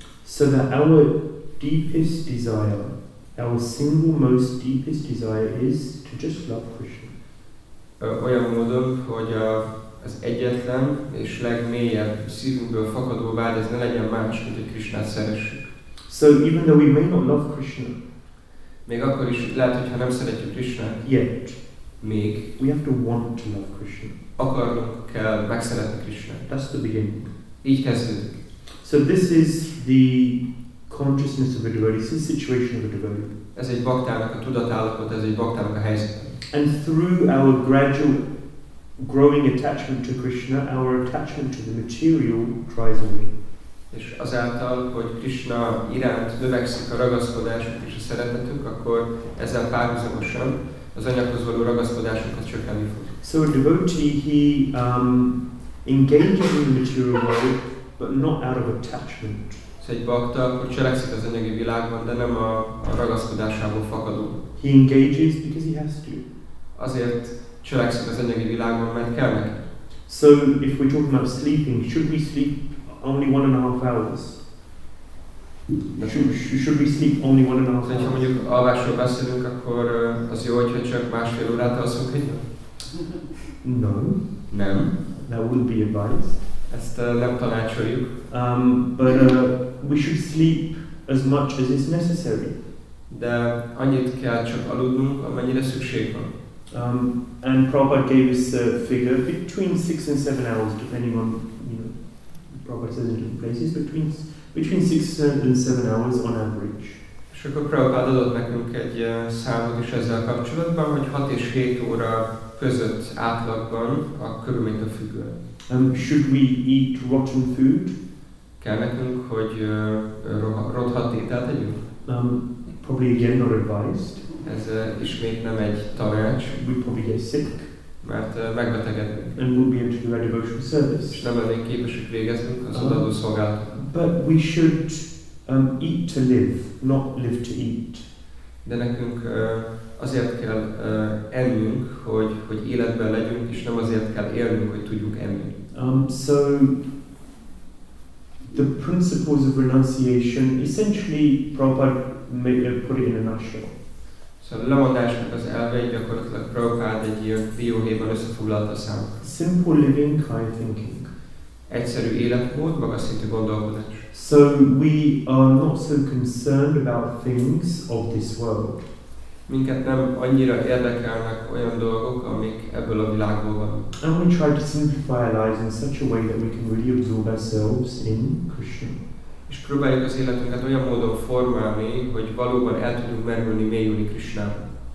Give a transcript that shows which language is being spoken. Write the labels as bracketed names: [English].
[English] So that our deepest desire, our single most deepest desire is to just love Krishna. [Hungarian] Olyan módon, hogy az egyetlen és legmélyebb szívünkből fakadó vágy, ez ne legyen más, mint hogy Krishnát szeressük. [English] So even though we may not love Krishna, [Hungarian] még akkor is lehet, hogyha nem szeretjük Krishnát, [English] yet [Hungarian] még [English] we have to want to love Krishna. [Hungarian] Akarnunk kell megszeretni Krishna. [English] That's the beginning. [Hungarian] Így kezdődik. [English] So this is the consciousness of a devotee. This is the situation of a devotee. [Hungarian] Ez egy baktának a tudatállapot, ez egy baktának a helyzet. [English] And through our gradual growing attachment to Krishna, our attachment to the material dries away. [Hungarian] És azáltal, hogy Krishna iránt növekszik a ragaszkodásunk és a szeretetünk, akkor ezzel párhuzamosan az anyaghoz való ragaszkodásunkat csökkenni fog. [English] So a devotee, he engages in the material world, but not out of attachment. [Hungarian] So egy bakta, akkor cselekszik az anyagi világban, de nem a ragaszkodásából fakadó. [English] He engages because he has to. [Hungarian] Azért cselekszik az anyagi világban, mert kell neki. [English] So if we're talking about sleeping, should we sleep only 1.5 hours? Should we sleep only 1.5 hours? [Hungarian] Hogyha mondjuk alvásról beszélünk, akkor az jó, hogyha csak másfél órát alszunk egy nap? [English] No. [Hungarian] Nem. [English] That would be advised. [Hungarian] Ezt nem tanácsoljuk. [English] But we should sleep as much as is necessary. [Hungarian] De annyit kell csak aludnunk, amennyire szükség van. [English] And Prabhupada gave us a figure between 6 and 7 hours, depending on, you know, Prabhupada says in different places, between 6 and 7 hours on average. [Hungarian] És akkor Prabhupada adott nekünk egy számot is ezzel kapcsolatban, hogy 6 és 7 óra között átlagban a körülményt a függően. [English] Should we eat rotten food? [Hungarian] Kell nekünk, hogy rothadt ételt együnk? [English] Probably again not advised. [Hungarian] Ez ismét nem egy tanács. [English] We'd probably get sick. [Hungarian] Mert megbetegednünk. [English] And we'll be able to do our devotional service. [Hungarian] És nem elég képesek végeznünk az odaadó szolgálatot. [English] But we should eat to live, not live to eat. [Hungarian] De nekünk azért kell ennünk, hogy életben legyünk, és nem azért kell élnünk, hogy tudjuk enni. [English] So the principles of renunciation, essentially Prabhupada put it in a nutshell. [Hungarian] So a lemondásnak az elvei gyakorlatilag Prabhupada egy ilyen dióhéjban összefoglalta számunkra. [English] Simple living, high thinking. [Hungarian] Egyszerű életmód, magasszintű gondolkodás. [English] So we are not so concerned about things of this world. [Hungarian] Minket nem annyira érdekelnek olyan dolgok, amik ebből a világból van. [English] And we try to simplify our lives in such a way that we can really absorb ourselves in Krishna. [Hungarian] És próbáljuk az életünket olyan módon formálni, hogy valóban el tudjunk merülni, mélyülni Krishnába.